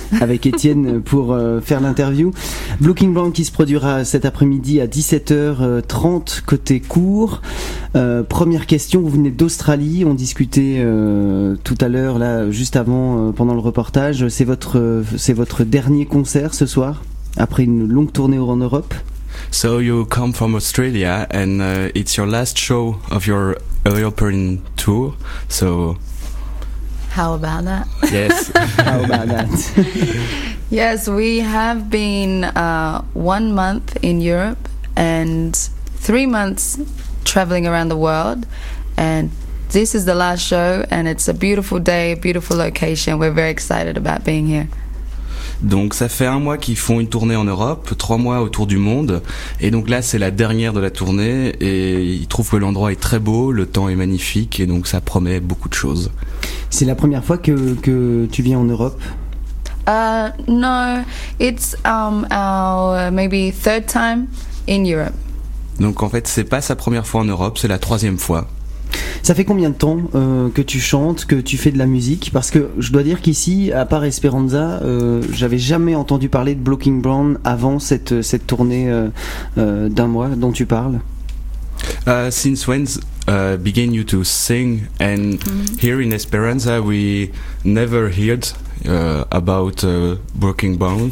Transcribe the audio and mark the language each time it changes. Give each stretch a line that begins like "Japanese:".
French: Avec Étienne pour faire l'interview. Blue King Brown qui se produira cet après-midi à 17h30 côté cours. Première question, vous venez d'Australie, on discutait tout à l'heure, là, juste avant, pendant le reportage. C'est votre dernier concert ce soir, après une longue tournée en Europe.
English: So you come from Australia and it's your last show of your European tour, so... How about that? Yes. How about that? Yes, we have been 1 month in Europe and 3 months traveling around the world. And this is the last show and it's a beautiful day, beautiful location. We're very excited about being here.
French: Donc ça fait un mois qu'ils font une tournée en Europe, 3 mois autour du monde. Et donc là c'est la dernière de la tournée et ils trouvent que l'endroit est très beau, le temps est magnifique et donc ça promet beaucoup de choses. C'est la première fois que tu viens en Europe?
English: No, it's our maybe third time in Europe.
French: Donc en fait c'est pas sa première fois en Europe, c'est la troisième fois. Ça fait combien de temps que tu chantes, que tu fais de la musique? Parce que je dois dire qu'ici, à part Esperanza, j'avais jamais entendu parler de Blue King Brown avant cette tournée d'un mois dont tu parles.
English: Since when began you to sing? And here in Esperanza, we never heard about Blue King Brown.